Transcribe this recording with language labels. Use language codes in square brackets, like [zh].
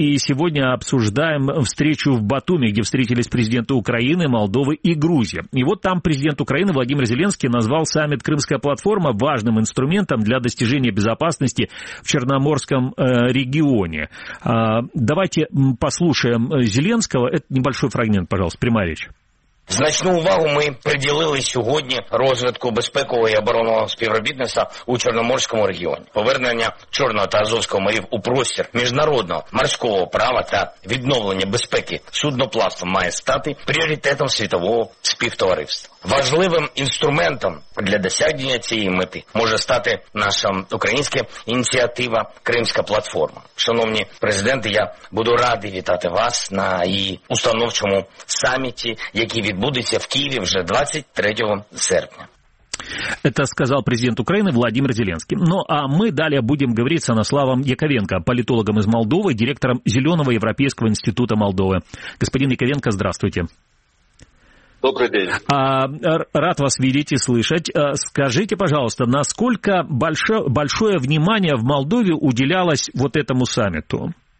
[ru] И сегодня обсуждаем встречу в Батуми, где встретились президенты Украины, Молдовы и Грузии. И вот там президент Украины Владимир Зеленский назвал саммит «Крымская платформа» важным инструментом для достижения безопасности в Черноморском регионе. Давайте послушаем Зеленского. Это небольшой фрагмент, пожалуйста, прямая речь. [uk] Значну увагу ми приділили сьогодні розвитку безпекового і оборонного співробітництва у Чорноморському регіоні, повернення Чорного та Азовського морів у простір міжнародного морського права та відновлення безпеки судноплавства має стати пріоритетом світового співтовариства. Важливим інструментом для досягнення цієї мети може стати наша українська ініціатива «Кримська платформа». Шановні президенти, я буду радий вітати вас на її установчому саміті, який відбудеться в Києві вже 23 серпня. [ru] Это сказал президент Украины Владимир Зеленский. Ну, а мы далее будем говорить с Анаславом Яковенко, политологом из Молдовы, директором Зеленого Европейского института Молдовы. Господин Яковенко, здравствуйте. Добрый день. Рад вас видеть и слышать. Скажите, пожалуйста, насколько большое внимание в Молдове уделялось вот этому саммиту?